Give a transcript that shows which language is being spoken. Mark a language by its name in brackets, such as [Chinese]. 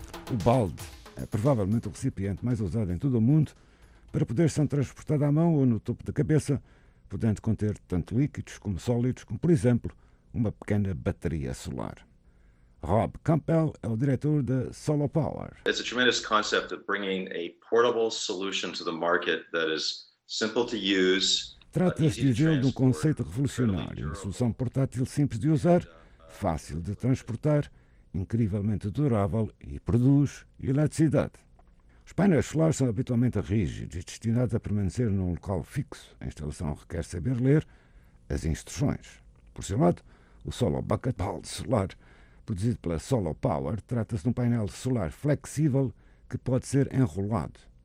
[Portuguese] O balde é provavelmente o recipiente mais usado em todo o mundo para poder ser transportado à mão ou no topo da cabeça, podendo conter tanto líquidos como sólidos, como, por exemplo, uma pequena bateria solar. Rob Campbell é o diretor da Solar Power. [English] It's a tremendous concept of bringing a portable solution to the market that is simple to use. [Portuguese] Trata-se de um conceito revolucionário, uma solução portátil simples de usar, fácil de transportar, incrivelmente durável e produz eletricidade. Os painéis solares são habitualmente rígidos e destinados a permanecer num local fixo. A instalação requer saber ler as instruções. Por seu lado, o Solo Bucket Ball Solar, produzido pela Solo Power, trata-se de um painel solar flexível que pode ser enrolado.